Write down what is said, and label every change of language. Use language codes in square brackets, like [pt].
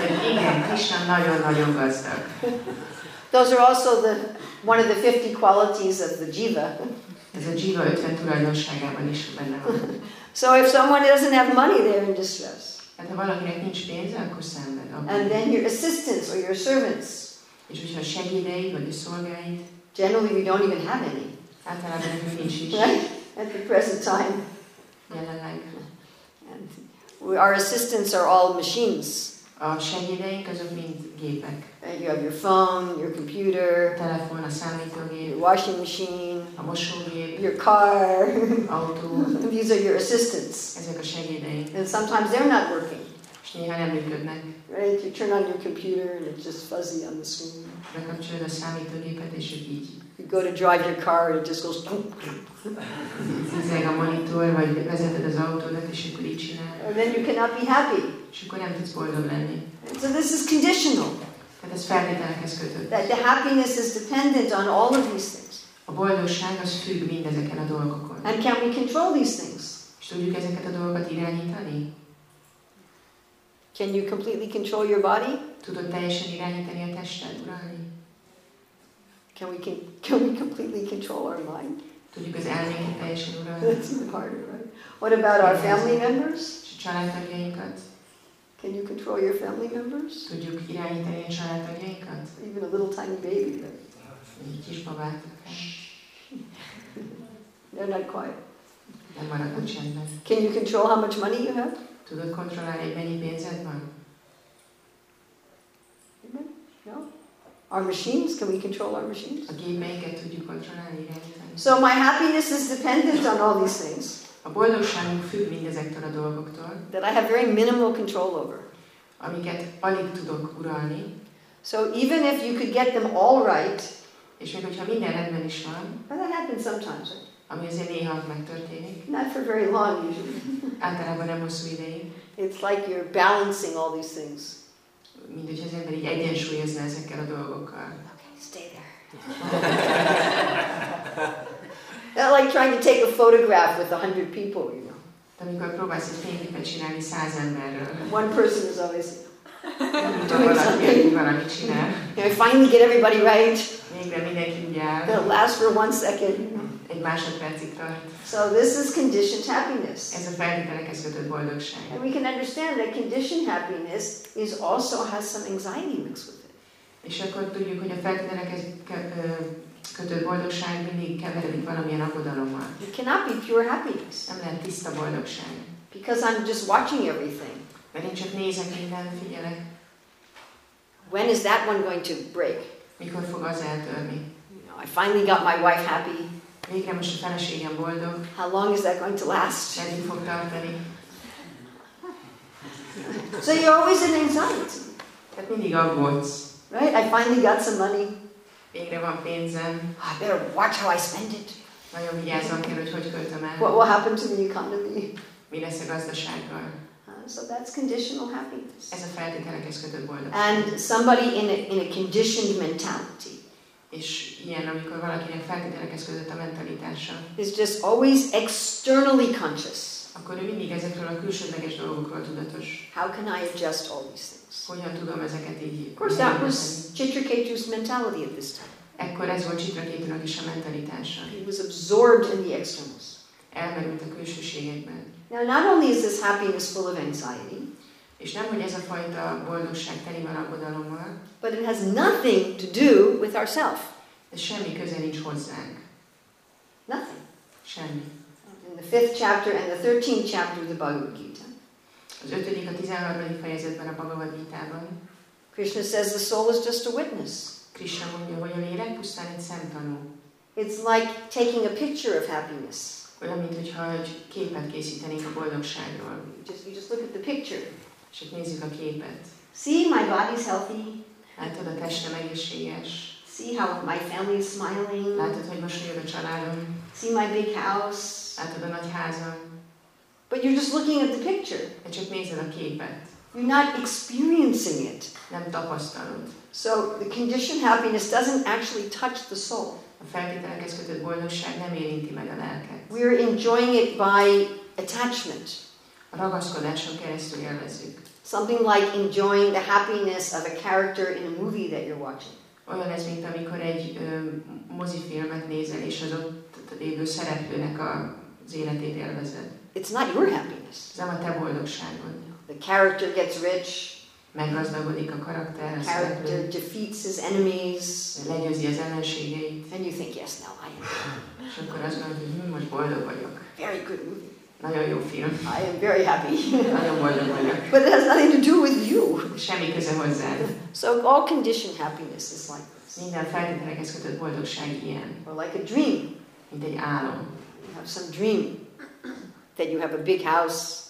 [hu] Igen, Krishna nagyon-nagyon gazdag. [en] Those are also the one of the 50 qualities of the jiva. [hu] Ez a jiva 50 tulajdonságában is benne van. [en] So if someone doesn't have money, they're in distress. [hu] Hát ha valakinek nincs pénze, akkor szenved. [en] And then your assistants or your servants. [hu] És hogyha a segédeid vagy a szolgáid. [en] Generally we don't even have any. [hu] Általában nem nincs is. [en] At the present time. [hu] Jelenleg. [en] And our assistants are all machines. [hu] A segédeink azok mind gépek. [en] You have your phone, your computer, [hu] telefon, a számítógép, [en] your washing machine, [hu] a mosógép, [en] your car, [hu] autó. [en] These are your assistants. [hu] Ezek a segédeink. [en] And sometimes they're not working. [hu] És néha nem működnek. [en] Right? You turn on your computer and it's just fuzzy on the screen. [hu] Bekapcsolod a számítógépet és így. [en] You go to drive your car and it just goes. [hu] Ezek a monitor vagy vezeted az autódat és akkor így csinál. [en] And then you cannot be happy. [hu] És akkor nem tudsz boldog lenni. [en] So this is conditional. [hu] Hát ez feltételekhez kötött. [en] That the happiness is dependent on all of these things. [hu] A boldogság az függ mindezeken a dolgokon. [en] And can we control these things? [hu] És tudjuk ezeket a dolgokat irányítani? [en] Can you completely control your body? [hu] Tudod teljesen irányítani a testet, uralni? [en] Can we completely control our mind? [hu] Tudjuk az elménket teljesen uralni? [en] That's even harder, right? What about our family members? [hu] És a családtagjainkat? [en] Can you control your family members? [hu] Tudjuk irányítani a családtagjainkat? [en] Even a little tiny baby. [hu] Egy kis babát. [en] They're not quiet. [hu] Nem maradnak csendben. [en] Can you control how much money you have? [hu] Tudod kontrollálni, hogy mennyi pénzed van? [en] No. Our machines, can we control our machines? [hu] A gépeinket tudjuk kontrollálni, irányítani. [en] So my happiness is dependent on all these things. [hu] A boldogságunk függ mindezektől a dolgoktól. [en] That I have very minimal control over. [hu] Amiket alig tudok uralni. [en] So even if you could get them all right. [hu] És még hogyha minden rendben is van. [en] But that happens sometimes, right? [hu] Ami azért néha megtörténik. [en] Not for very long, usually. [hu] Általában nem hosszú ideig. [en] It's like you're balancing all these things. [hu] Mint hogyha az ember így egyensúlyozna ezekkel a dolgokkal. [en] Okay, stay there. Not like trying to take a photograph with 100 people, you know. [hu] De amikor próbálsz egy fényképet csinálni 100 emberről. [en] One person is always doing something. [hu] Valaki csinál. [en] You know, finally get everybody right. [hu] Végre mindenki úgy áll. [en] They'll last for one second. [hu] Egy másodpercig tart. [en] So this is conditioned happiness. [hu] Ez a feltételekhez kötött boldogság. [en] And we can understand that conditioned happiness is also has some anxiety mixed with it. [hu] És akkor tudjuk, hogy a feltételekhez kötött boldogság mindig keveredik valamilyen aggodalommal. [en] It cannot be pure happiness. [hu] Nem lehet tiszta boldogság. [en] Because I'm just watching everything. [hu] Mert én csak nézek minden, figyelek. [en] When is that one going to break? [hu] Mikor fog az eltörni? [en] You know, I finally got my wife happy. [hu] Végre most a feleségem boldog. [en] How long is that going to last? [hu] Meddig fog tartani? [en] So you're always in anxiety. [hu] Tehát mindig aggódsz. [en] Right? I finally got some money. [hu] Végre van pénzem. [en] I better watch how I spend it. [hu] Nagyon vigyázzam kell, hogy hogy költöm el. [en] What will happen to the economy? [hu] Mi lesz a gazdasággal? [en] So that's conditional happiness. [hu] Ez a feltételekhez kötött boldogság. [en] And somebody in a conditioned mentality. [hu] És ilyen, amikor valakinek feltételekhez kötött a mentalitása. [en] Is just always externally conscious. [hu] Akkor ő mindig ezekről a külsődleges dolgokról tudatos. [en] How can I adjust all these things? [hu] Hogyan tudom ezeket így? [en] Of course, that was Chitraketu's mentality at this time. [hu] Ekkor ez volt Chitraketunak is a mentalitása. [en] He was absorbed in the externals. [hu] Elmerült a külsőségekben. [en] Now, not only is this happiness full of anxiety, [hu] és nem, hogy ez a fajta boldogság teli van aggodalommal, [en] but it has nothing to do with ourself. [hu] De semmi köze nincs hozzánk. [en] Nothing. [hu] Semmi. [en] In the 5th chapter and the 13th chapter of the Bhagavad Gita, [hu] az ötödik, a 13. fejezetben a Bhagavad Gita-ban, [en] Krishna says the soul is just a witness. [hu] Krishna mondja, hogy a lélek pusztán egy szemtanú. [en] It's like taking a picture of happiness. [hu] Olyan, mint hogyha egy képet készítenénk a boldogságról. [en] Just look at the picture. [hu] És itt nézzük a képet. [en] See, my body's healthy. [hu] Látod, a testem egészséges. [en] See how my family is smiling. [hu] Látod, hogy mosolyog a családom. [en] See my big house. [hu] Látod, a nagy házam. [en] But you're just looking at the picture. [hu] De csak nézed a képet. [en] You're not experiencing it. [hu] Nem tapasztalod. [en] So the conditioned happiness doesn't actually touch the soul. [hu] A feltételekhez kötött boldogság nem érinti meg a lelket. [en] We are enjoying it by attachment. [hu] A ragaszkodáson keresztül élvezzük. [en] Something like enjoying the happiness of a character in a movie that you're watching. [hu] Olyan ez, mint amikor egy mozifilmet nézel, és az ott élő szereplőnek az életét élvezed. [en] It's not your happiness. [hu] Ez nem a te boldogságod. [en] The character gets rich. [hu] Meggazdagodik a karakter, a szereplő. [en] The character defeats his enemies. [hu] Legyőzi az ellenségeit. [en] And you think, yes, now I am. [hu] És akkor azt mondod, hogy most boldog vagyok. [en] Very good movie. [hu] Nagyon jó film. [en] I am very happy. [hu] Nagyon boldog vagyok. [en] But it has nothing to do with you. [hu] Semmi köze hozzád. [en] So all conditioned happiness is like this. [hu] Minden feltételekhez kötött boldogság ilyen. [en] Or like a dream. [hu] Mint egy álom. [en] You have some dream that you have a big house.